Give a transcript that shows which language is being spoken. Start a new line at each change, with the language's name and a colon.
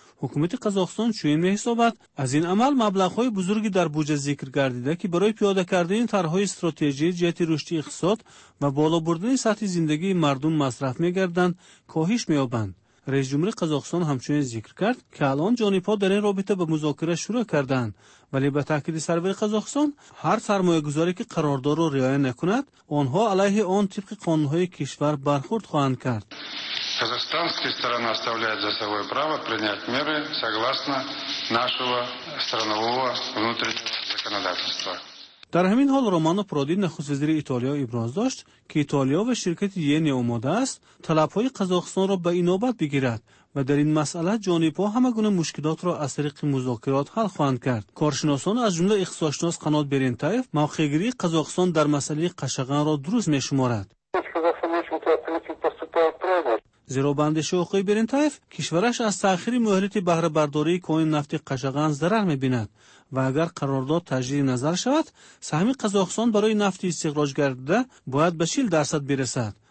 Persian: حکومت قزاقستان چنین می‌حسابد از این عمل مبلغ‌های بزرگی در بودجه ذکر گردیده که برای پیاده کردن طرح‌های استراتژی جهت رشد اقتصاد و بالا بردن سطح زندگی مردم مصرف می‌گردند کاهش می‌یابند. رئیس جمهور قزاقستان همچنین ذکر کرد که الان جانب‌ها در این رابطه به مذاکره شروع کردند، ولی به تاکید سرور قزاقستان هر سرمایه‌گذاری که قرارداد را رعایت نکند آنها علیه آن طبق قانون‌های کشور برخورد خواهند کرد.
Russian: Казахстанская сторона оставляет за собой право принять меры согласно нашего странового внутреннего законодательства.
Persian: در همین حال رامانو پرودی نخست وزیر ایتالیا ابراز داشت که ایتالیا و شرکت ینی آماده است طلبهای قزاقستان را به انابت بگیرد و در این مسئله جانب‌ها همه گونه مشکلات را از طریق مذاکرات حل خواهند کرد. کارشناسان از جمله اقتصادشناس قنات برینتایف موقع‌گیری قزاقستان در مسئله قشقان را درست می‌شمارد، زیرا بندش آقای برینتایف کشورش از تأخیر مهلت بهره برداری کوین نفت قشقان ضرر می‌بیند و اگر قرارداد تجدید نظر شود سهم قزاقستان برای نفت استخراج گردیده باید به 40% برسد.